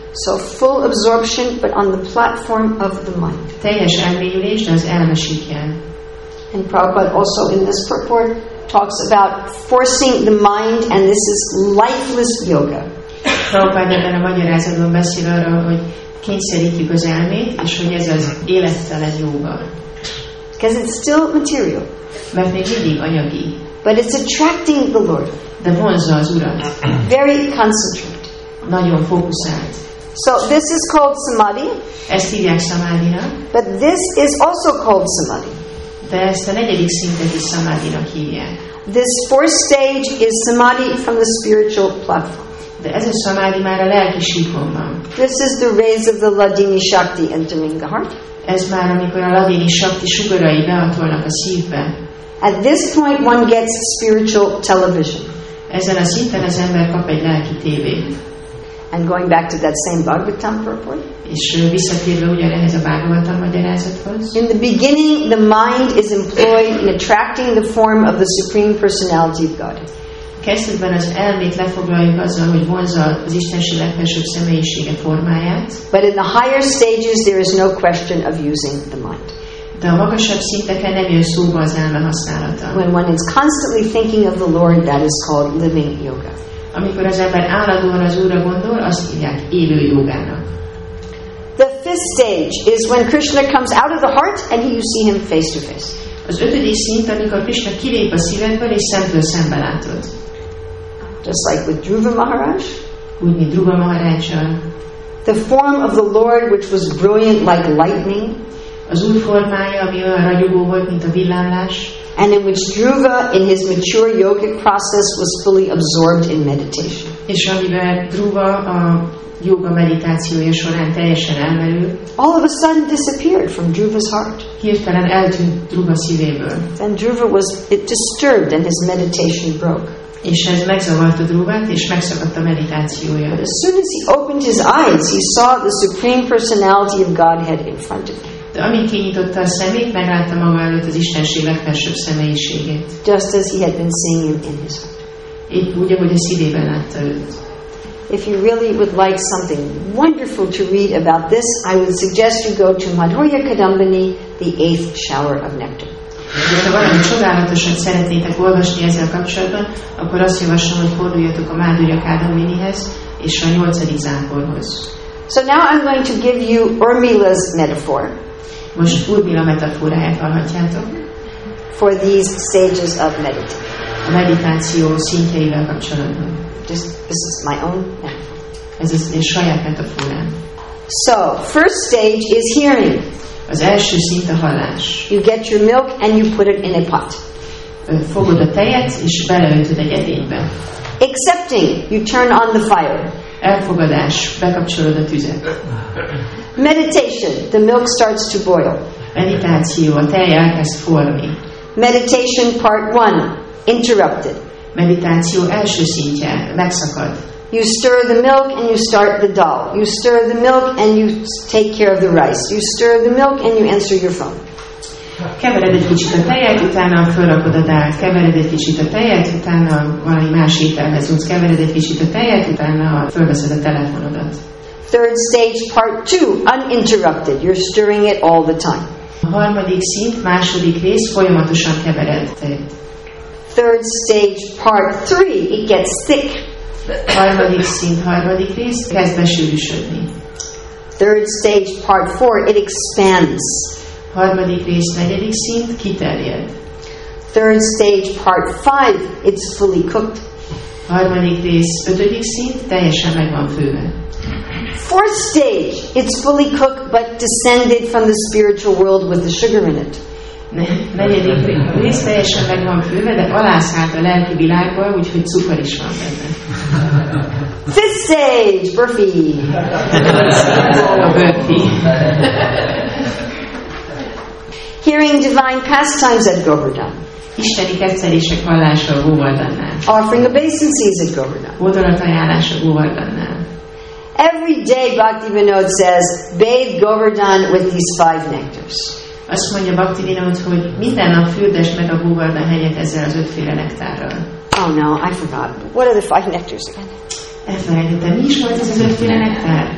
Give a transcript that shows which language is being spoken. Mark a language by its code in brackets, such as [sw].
[en] So full absorption but on the platform of the mind. [hu] Teljes elmélyülés, de az elmesíken. [en] And Prabhupada also in this purport talks about forcing the mind, and this is lifeless yoga. [hu] Prabhupada ebben a magyarázatban beszél arra, hogy kényszerítjük az elmét, és hogy ez az élettelen yoga. [en] Because it's still material. [hu] Mert még mindig anyagi. [en] But it's attracting the Lord. [hu] De vonzza az Urat. [en] Very concentrated. [hu] Nagyon fókuszált. [en] So this is called samadhi. [hu] Ezt hívják samadhina. [en] But this is also called samadhi. [hu] De ezt a negyedik szintet is samadhinak hívják. [en] This fourth stage is samadhi from the spiritual platform. [hu] De ez a samadhi már a lelki síkonban. [en] This is the rays of the ladini shakti entering the heart. [hu] Ez már amikor a ladini shakti sugarai behatolnak a szívbe. [en] At this point one gets spiritual television. [hu] Ezen a szinten az ember kap egy lelki tévét. [en] And going back to that same Bhagavatam purport. [hu] És visszatérve ugyanehhez a Bhagavatam magyarázathoz. [en] In the beginning, the mind is employed in attracting the form of the Supreme Personality of God. [hu] Kezdetben az elmét lefoglaljuk azzal, hogy vonzza az Istenség legfelsőbb személyisége formáját. [en] But in the higher stages, there is no question of using the mind. [hu] De a magasabb szinteken nem jön szóba az elme használata. [en] When one is constantly thinking of the Lord, that is called living yoga. [hu] Amikor az ember állandóan az Úrra gondol, azt hívják élő jogának. [en] The fifth stage is when Krishna comes out of the heart and you see him face to face. [hu] Az ötödik szint, amikor Krishna kilép a szívedből és szemtől szembe látod. [en] Just like with Dhruva Maharaj. [hu] Úgy, mint Dhruva Maharaj. [en] The form of the Lord which was brilliant like lightning. [hu] Az Úr formája, ami olyan ragyogó volt, mint a villámlás. [en] And in which Dhruva, in his mature yogic process, was fully absorbed in meditation. [hu] És amiben Dhruva a yoga meditációja során teljesen elmerül. [en] All of a sudden disappeared from Dhruva's heart. [hu] Hirtelen eltűnt Dhruva szívéből. [en] Then Dhruva was disturbed and his meditation broke. [hu] És ez megzavarta Dhruvát, és megszakadt a meditációja. [en] But as soon as he opened his eyes, he saw the Supreme Personality of Godhead in front of him. [hu] De amint kinyitotta a szemét, meglátta maga előtt az Istenség legfelsőbb személyiségét. [en] Just as he had been seeing him in his heart. [hu] Épp úgy, ahogy a szívében látta őt. [en] If you really would like something wonderful to read about this, I would suggest you go to Madhurya Kadambini, the eighth shower of nectar. [hu] Ha valami csodálatosat szeretnétek olvasni ezzel kapcsolatban, akkor azt javaslom, hogy forduljatok a Madhurya Kadambinihez és a nyolcadik zámporhoz. [en] So now I'm going to give you Urmila's metaphor. [hu] Most Urmila metaforáját hallhatjátok. [en] For these stages of meditation. [hu] A meditáció szintjeivel kapcsolatban. [en] Just, this is my own metaphor. [hu] Ez a saját metaforám. [en] So, first stage is hearing. [hu] Az első szint a hallás. [en] You get your milk and you put it in a pot. [hu] Fogod a tejet és beleöntöd egy edénybe. [en] Accepting, you turn on the fire. [hu] Elfogadás, bekapcsolod a tüzet. [en] Meditation, the milk starts to boil. [hu] Meditáció, a tej elkezd forni. [en] Meditation part one, interrupted. [hu] Meditáció első szintje, megszakad. [en] You stir the milk and you start the dal. You stir the milk and you take care of the rice. You stir the milk and you answer your phone. [hu] Kevered egy kicsit a tejet, utána felrakod a dalt. Kevered egy kicsit a tejet, utána valami más ételhez jutsz. Kevered egy kicsit a tejet, utána felveszed a telefonodat. [en] Third stage, part two, uninterrupted. You're stirring it all the time. [hu] A harmadik szint, második rész, folyamatosan kevered tejet. [en] third stage, part three, it gets thick. [hu] Harmadik szint, harmadik rész, kezd besűrűsödni. [en] Third stage, part four, it expands. [hu] Harmadik rész, negyedik szint, kiterjed. [en] Third stage, part five, it's fully cooked. [hu] Harmadik rész, ötödik szint, teljesen megvan főve. [en] Fourth stage, it's fully cooked but descended from the spiritual world with the sugar in it. [hu] Negyedik rész teljesen meg van főve, de alászállt a lelki világba, úgyhogy cukor is van benne. [en] Fifth stage, burfi. [hu] A burfi. [en] Hearing divine pastimes at Govardhan. [hu] Isteni tetszelések hallása a Govardhannál. [en] Offering obeisances at Govardhan. [hu] Hódolat ajánlása a Govardhannál. [en] Every day Bhaktivinoda says, bathe Govardhan with these five nectars. [hu] Azt mondja Bhaktivinoda, hogy minden nap fürdesd meg a Govardhan helyet ezzel az ötféle nektárral. [en] Oh no, I forgot. What are the five nectars again? [hu] Elfelejtettem, mi is volt ez az ötféle nektár?